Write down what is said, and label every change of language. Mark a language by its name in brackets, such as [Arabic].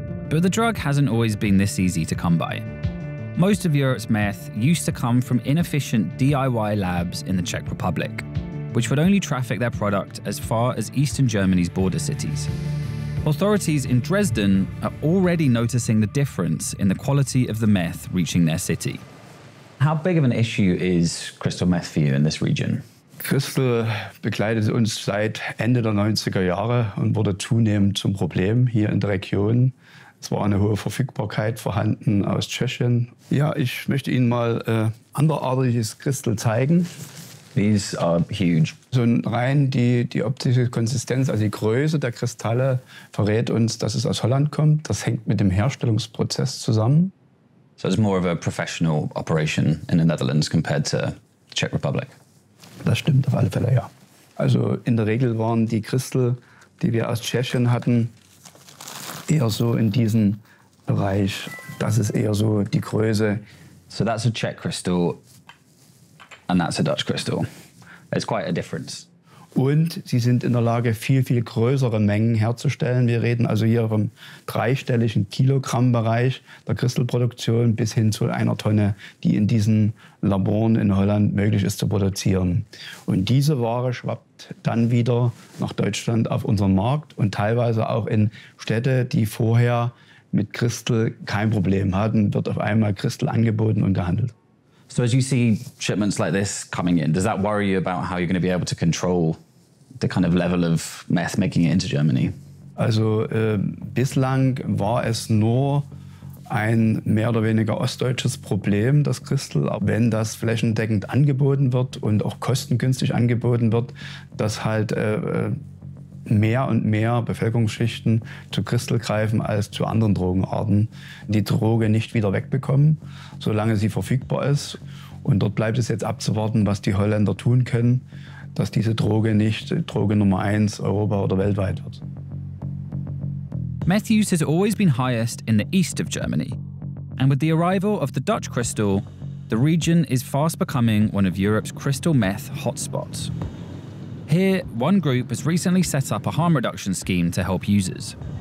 [English] But the drug hasn't always been this easy to come by. Most of Europe's meth used to come from inefficient DIY labs in the Czech Republic, which would only traffic their product as far as Eastern Germany's border cities. Authorities in Dresden are already noticing the difference in the quality of the meth reaching their city. How big of an issue is crystal meth for you in this region? [German] Crystal begleitet uns seit Ende der 90er Jahre und wurde zunehmend zum Problem hier in der Region. Es war eine hohe Verfügbarkeit vorhanden aus Tschechien. Ja, ich möchte Ihnen mal anderartiges Crystal zeigen. [English] These are huge. [German] So rein die optische Konsistenz, also die Größe der Kristalle, verrät uns, dass es aus Holland kommt. Das hängt mit dem Herstellungsprozess zusammen. [English] So it's more of a professional operation in the Netherlands compared to the Czech Republic. [German] Das stimmt auf alle Fälle, ja. Also in der Regel waren die Kristalle, die wir aus Tschechien hatten, eher so in diesem Bereich, das ist eher so die Größe. [English] So that's a Czech crystal and that's a Dutch crystal. It's quite a difference. [German] Und sie sind in der Lage, viel, viel größere Mengen herzustellen. Wir reden also hier vom dreistelligen Kilogrammbereich der Kristallproduktion bis hin zu einer Tonne, die in diesen Laboren in Holland möglich ist zu produzieren. Und diese Ware schwappt dann wieder nach Deutschland auf unseren Markt und teilweise auch in Städte, die vorher mit Kristall kein Problem hatten, wird auf einmal Kristall angeboten und gehandelt. So as you see shipments like this coming in, does that worry you about how you're going to be able to control the kind of level of meth making it into Germany? Also bislang war es nur ein mehr oder weniger ostdeutsches Problem, das Crystal. Aber wenn das flächendeckend angeboten wird und auch kostengünstig angeboten wird, dass halt mehr und mehr Bevölkerungsschichten zu Crystal greifen als zu anderen Drogenarten, die Droge nicht wieder wegbekommen, solange sie verfügbar ist. Und dort bleibt es jetzt abzuwarten, was die Holländer tun können, dass diese Droge nicht Droge Nummer 1 Europa oder weltweit wird. [English] Meth use has always been highest in the east of Germany. And with the arrival of the Dutch crystal, the region is fast becoming one of Europe's crystal meth hotspots. Here, one group has recently set up a harm reduction scheme to help users.